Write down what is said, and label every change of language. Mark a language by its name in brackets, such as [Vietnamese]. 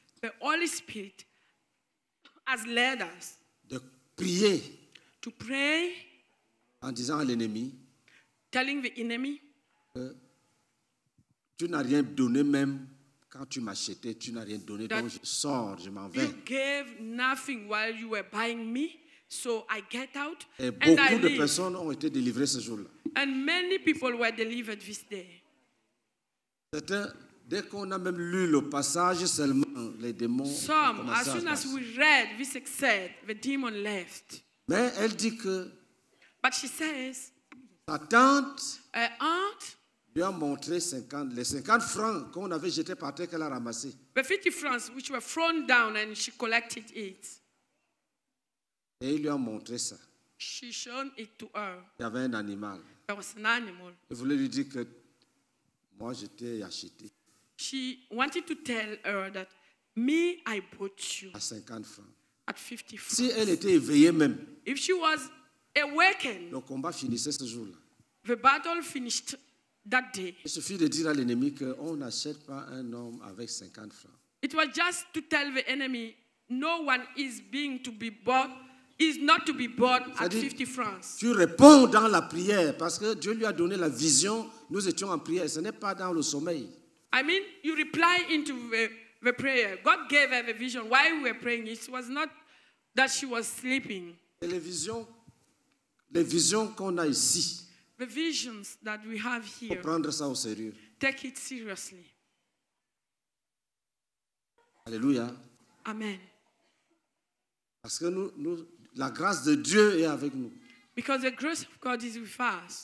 [English] The Holy Spirit has led us. [French] De prier. [English] To pray. [French] En disant à l'ennemi. [English] Telling the enemy. [French] Que tu n'as rien donné même. Quand tu m'achetais, tu n'as rien donné, donc je sors, je m'en vais. [English] You gave nothing while you were buying me, so I get out [French] et beaucoup de personnes ont été délivrées ce jour-là. [English] And many people were delivered this day. [French] C'était, dès qu'on a même lu le passage seulement, les démons ont commencé à partir. [English] Some, as soon as we read this excerpt, the demon left. [French] Mais elle dit que. [English] But she says. [French] Sa tante. [English] Her aunt. [French] Lui a montré 50, les 50 francs qu'on avait jetés par terre qu'elle a ramassé. [English] The 50 francs which were thrown down and she collected it. [French] Et il lui a montré ça. [English] She showed it to her. [French] Il y avait un animal. [English] There was an animal. [French] Il voulait lui dire que moi je t'ai acheté. [English] She wanted to tell her that me I bought you. [French] À 50 francs. [English] At 50 francs. [French] Si elle était éveillée même. [English] If she was awakened. [French] Le combat finissait ce jour-là. [English] The battle finished. That day. [French] Il suffit de dire à l'ennemi qu'on n'achète pas un homme avec 50 francs. [English] It was just to tell the enemy, no one is being to be bought, is not to be bought at 50 francs. [French] Tu réponds dans la prière parce que Dieu lui a donné la vision. Nous étions en prière. Ce n'est pas dans le sommeil. [English] I mean, you reply into the prayer. God gave her the vision. While we were praying, it was not that she was sleeping. [French] Les visions qu'on a ici. [English] The visions that we have here. [French] Pour prendre ça au sérieux. [English] Take it seriously. Alléluia. Amen. [French] Parce que nous, la grâce de Dieu est avec nous. [English] Because the grace of God is with us.